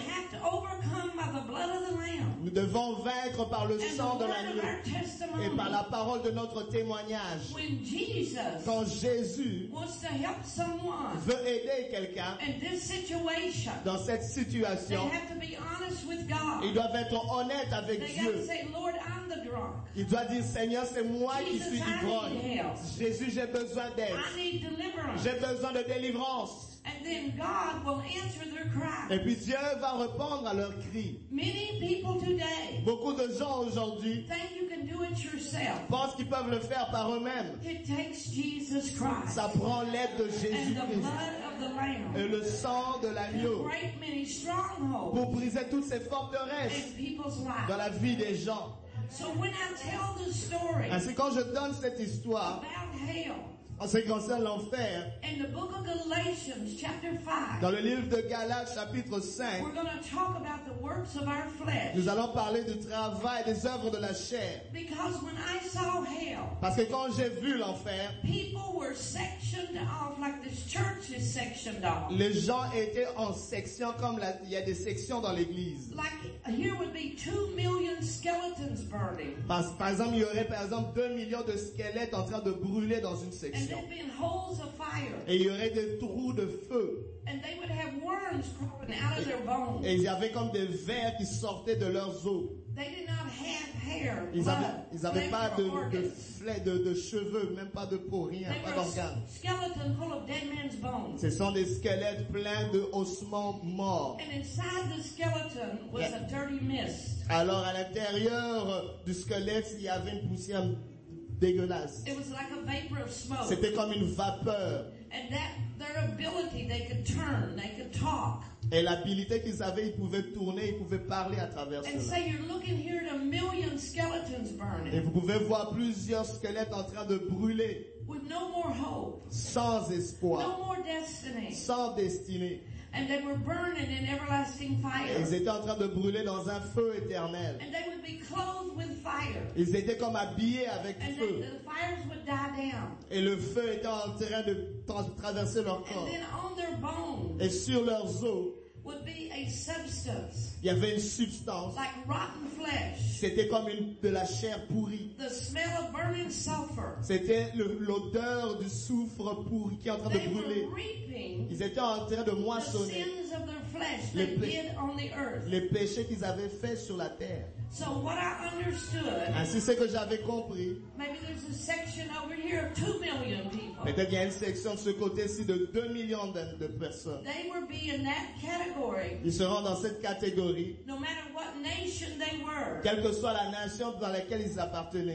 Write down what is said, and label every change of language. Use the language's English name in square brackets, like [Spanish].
[English] we have to overcome by the blood of the Lamb. [French] Nous devons vaincre par le sang de l'agneau et par la parole de notre témoignage. [English] When Jesus, [French] quand Jésus [English] wants to help someone, [French] veut aider quelqu'un [English] in this situation, [French] dans cette situation, [English] they have to be honest with God. [French] Ils doivent être honnêtes avec [English] they [French] Dieu. [English] Say, Lord, I'm the drunk. [French] Ils doivent dire, Seigneur, c'est moi [English] Jesus, [French] qui suis ivrogne. Jésus, j'ai besoin d'aide. [English] I need deliverance. [French] J'ai besoin de délivrance. [English] And then God will answer their cry. [French] Et puis Dieu va répondre à leur cri. [English] Many people today, [French] beaucoup de gens aujourd'hui, [English] think you can do it yourself. [French] Pensent qu'ils peuvent le faire par eux-mêmes. [English] It takes Jesus Christ. [French] Ça prend l'aide de Jésus [English] and the blood of the Lamb. [French] Et le sang de l'agneau. [English] To break many strongholds. [French] Pour briser toutes ces forteresses [English] in people's lives. [French] Dans la vie des gens. [English] So when I tell the story, [French] ainsi quand je donne cette histoire [English] about hell, [French] en ce qui concerne l'enfer. [English] In the book of Galatians, chapter 5, [French] dans le livre de Galates, chapitre 5, [English] we're going to talk about the works of our flesh. [French] Nous allons parler du travail, des œuvres de la chair. [English] Because when I saw hell, [French] parce que quand j'ai vu l'enfer, [English] people were sectioned off like this church is sectioned off. [French] Les gens étaient en sections comme il y a des sections dans l'église. [English] Like, here would be 2 million skeletons burning. [French] Par exemple, il y aurait par exemple 2 millions de squelettes en train de brûler dans une section. [English] And there'd be holes of fire. [French] Et il y aurait des trous de feu. [English] And they would have worms crawling out of their bones. [French] Et il y avait comme des vers qui sortaient de leurs os. [English] They did not have hair. [French] Ils avaient pas de flets, de cheveux, même pas de peau, rien, [English] they [French] pas d'organes. [English] Skeleton full of dead man's bones. [French] Ce sont des squelettes pleins de ossements morts. [English] And inside the skeleton was a dirty mist. [French] Alors à l'intérieur du squelette, il y avait une poussière dégueulasse. [English] It was like a vapor of smoke. [French] C'était comme une vapeur. [English] And that, their ability, they could turn, they could talk. [French] Et l'habilité qu'ils avaient, ils pouvaient tourner, ils pouvaient parler à travers [English] and [French] cela. [English] And so you're looking here at a million skeletons burning. [French] Et vous pouvez voir plusieurs squelettes en train de brûler. [English] With no more hope. [French] Sans espoir. [English] No more destiny. [French] Sans destinée. [English] And they were burning in everlasting fire. [French] Ils étaient en train de brûler dans un feu éternel. [English] And they would be clothed with fire. [French] Ils étaient comme habillés avec [English] and [French] feu. [English] And the fires would die down. [French] Et le feu était en train de traverser leur corps. [English] And then on their bones. [French] Et sur leurs os. [English] Would be a substance. [French] Il y avait une substance. [English] Like rotten flesh. [French] C'était comme de la chair pourrie. [English] The smell of burning sulfur. [French] C'était l'odeur du soufre pourri qui est en train [English] they [French] de brûler. Ils étaient en train de moissonner. [English] The sins of their flesh they did on the earth. [French] Les péchés qu'ils avaient faits sur la terre. [English] So what I understood. [French] Ainsi c'est que j'avais compris. [English] Maybe there's a section over here of 2 million people. [French] Peut-être qu'il y a une section de ce côté-ci de 2 millions de personnes. [English] They would be in that category. [French] Ils seront dans cette catégorie. [English] No matter what nation they were. [French] Quelle que soit la nation dans laquelle ils appartenaient.